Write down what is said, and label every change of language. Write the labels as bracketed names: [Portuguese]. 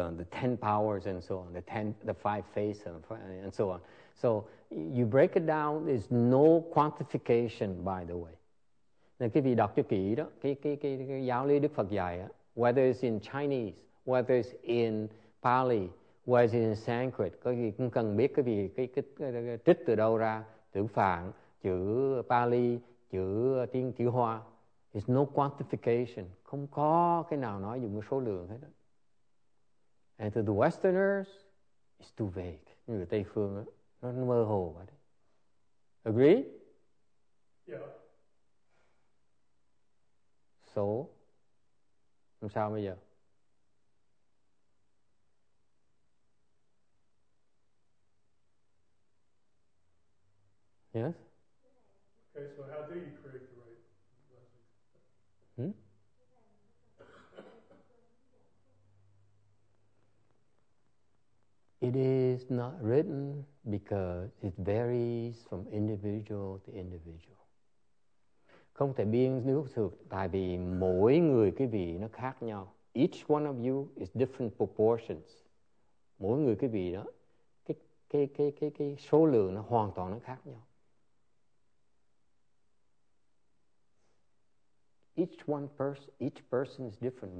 [English] 10 powers and so on, the five faces and so on. So you break it down, there's no quantification, by the way. [Vietnamese] Nên cái vị đọc cho kỹ đó, cái giáo lý Đức Phật dạy á, [English] whether it's in Chinese, whether it's in Pali, whether it's in Sanskrit, [Vietnamese] có gì cũng cần biết cái vị cái trích từ đâu ra, chữ Phạn, chữ Pali, chữ tiếng chữ Hoa. [English] There's no quantification. [Vietnamese] Không có cái nào nói dùng cái số lượng hết đó. [English] And to the Westerners, it's too vague. [Vietnamese] Người Tây phương á, nó mơ hồ quá đấy. [English] Agree? Yeah. [Vietnamese] So, làm sao bây giờ? [English] Yes? Okay, so how do you create the right blessing? It is not written because it varies from individual to individual. [Vietnamese] Không thể biên nước thực tại vì mỗi người cái vị nó khác nhau. [English] Each one of you is different proportions. [Vietnamese] Mỗi người cái vị đó, cái số lượng nó hoàn toàn nó khác nhau. [English] Each person is different.